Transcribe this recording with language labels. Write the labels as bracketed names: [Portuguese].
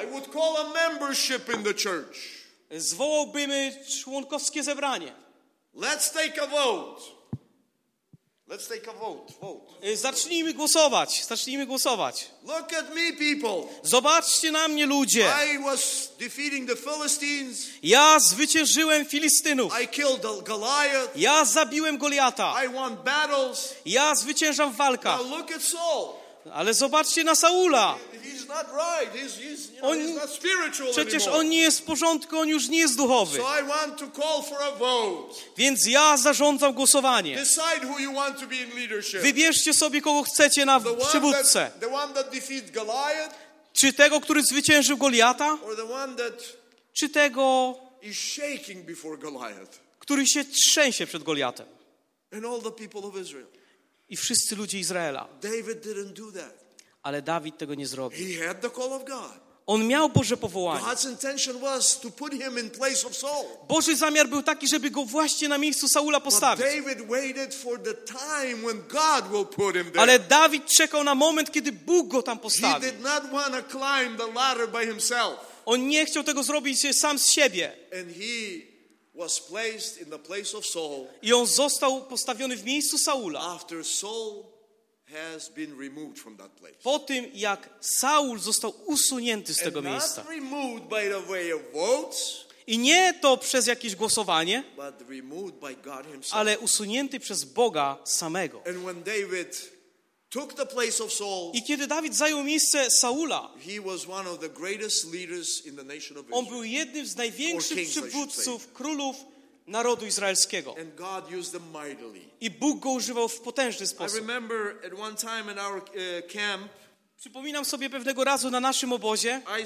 [English] I would call a membership in the church. [Polish] Zwołałbym członkowskie zebranie. [English] Let's take a vote. Let's take a vote. [Polish] Zacznijmy głosować. Zacznijmy głosować. [English] Look at me, people. [Polish] Zobaczcie na mnie, ludzie. [English] I was defeating the Philistines. [Polish] Ja zwyciężyłem Filistynów. [English] I killed Goliath. [Polish] Ja zabiłem Goliata. [English] I won battles. [Polish] Ja zwyciężam w walkach. [English] Now look at Saul. [Polish] Ale zobaczcie na Saula. [English] He's not right. He's, you know, on, he's not spiritual [Polish] przecież [English] anymore. [Polish] On nie jest w porządku, on już nie jest duchowy. [English] So I want to call for a vote. [Polish] Więc ja zarządzam głosowanie. [English] Decide who you want to be in leadership. [Polish] Wybierzcie sobie, kogo chcecie na przywódcę. [English] The one that defeated Goliath, [Polish] czy tego, który zwyciężył Goliata? [English] Or the one that [Polish] czy tego, [English] is shaking before Goliath. [Polish] Który się trzęsie przed Goliatem? [English] And all the people of Israel. [Polish] I wszyscy ludzie Izraela. [English] David didn't do that. [Polish] Ale Dawid tego nie zrobił. [English] He had the call of God. [Polish] On miał Boże powołanie. [English] God's intention was to put him in place of Saul. [Polish] Boży zamiar był taki, żeby go właśnie na miejscu Saula postawić. [English] David waited for the time when God will put him there. [Polish] Ale Dawid czekał na moment, kiedy Bóg go tam postawi. [English] He did not want to climb the ladder by himself. [Polish] On nie chciał tego zrobić sam z siebie. [English] And he was placed in the place of Saul. [Polish] I on został postawiony w miejscu Saula. [English] After Saul has been removed from that place. [Polish] Po tym jak Saul został usunięty z [English] and [Polish] tego miejsca. [English] Not removed by the way of votes. [Polish] I nie to przez jakieś głosowanie, [English] but removed by God himself. [Polish] Ale usunięty przez Boga samego. [English] And when David took the place of Saul. [Polish] I kiedy Dawid zajął miejsce Saula, [English] he was one of the greatest leaders in the nation of Israel. [Polish] On był jednym z największych przywódców, królów narodu izraelskiego. [English] And God used them mightily. [Polish] I Bóg go używał w potężny sposób. [English] I remember at one time in our camp, [Polish] Przypominam sobie pewnego razu na naszym obozie.